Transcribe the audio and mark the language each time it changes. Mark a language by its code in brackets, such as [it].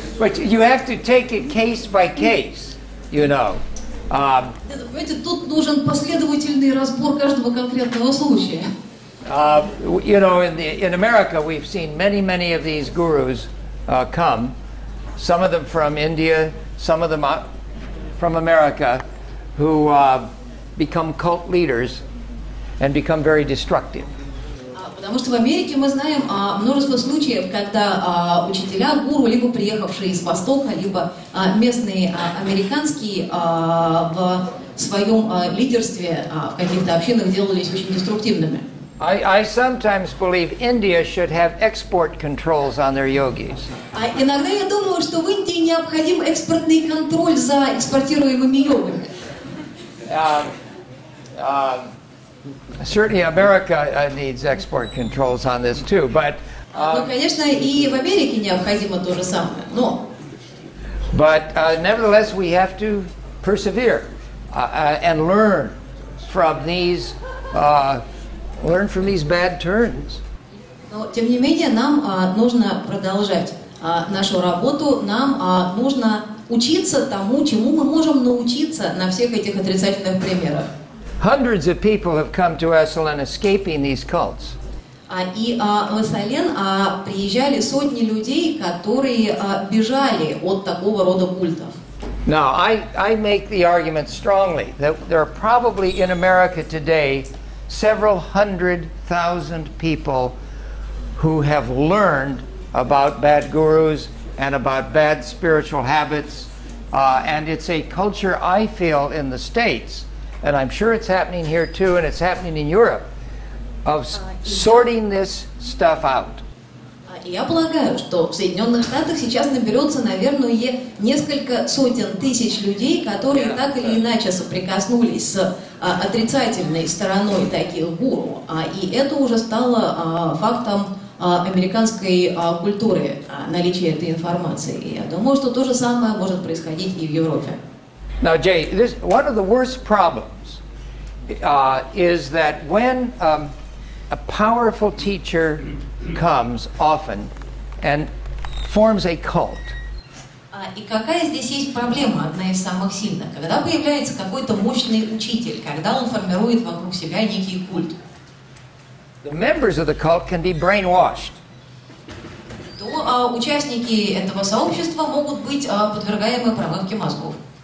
[en] But you have to take it case by case, you know. [ru] Тут нужен последовательный разбор каждого конкретного случая. [en] You know, in America, we've seen many, many of these gurus come. Some of them from India, some of them from America, who become cult leaders and become very destructive. [ru] Потому что в Америке мы знаем множество случаев, когда учителя, гуру, либо приехавшие из Востока, либо местные американские в своем лидерстве в каких-то общинах делались очень деструктивными. [en] I sometimes believe India should have export controls on their yogis. [ru] Иногда я думаю, что в Индии необходим экспортный контроль за экспортируемыми йогами. [en] Certainly, America needs export controls on this too. But. [ru] Ну, конечно, и в Америке необходимо то же самое. Но. [en] But nevertheless, we have to persevere and learn from these bad turns. [ru] Но тем не менее нам нужно продолжать нашу работу. Нам нужно учиться тому, чему мы можем научиться на всех этих отрицательных примерах. [en] Hundreds of people have come to Esalen escaping these cults. [ru] И в Эсален приезжали сотни людей, которые бежали от такого рода культов. [en] Now, I make the argument strongly that there are probably in America today several hundred thousand people who have learned about bad gurus and about bad spiritual habits, and it's a culture I feel in the States. And I'm sure it's happening here too, and it's happening in Europe, of sorting this stuff out. [ru] Я полагаю, что в Соединенных Штатах сейчас наберется, наверное, несколько сотен тысяч людей, которые так или иначе соприкоснулись с отрицательной стороной таких гуру. И это уже стало фактом американской культуры, наличие этой информации. Я думаю, что то же самое может происходить и в Европе. [en] Now, Jay, this one of the worst problems is that when a powerful teacher comes often and forms a cult. [ru] И какая здесь есть проблема, одна из самых сильных? Когда появляется какой-то мощный учитель, когда он формирует вокруг себя некий культ? [en] The members of the cult can be brainwashed. [ru] То участники этого сообщества могут быть подвергаемы промывке мозгов.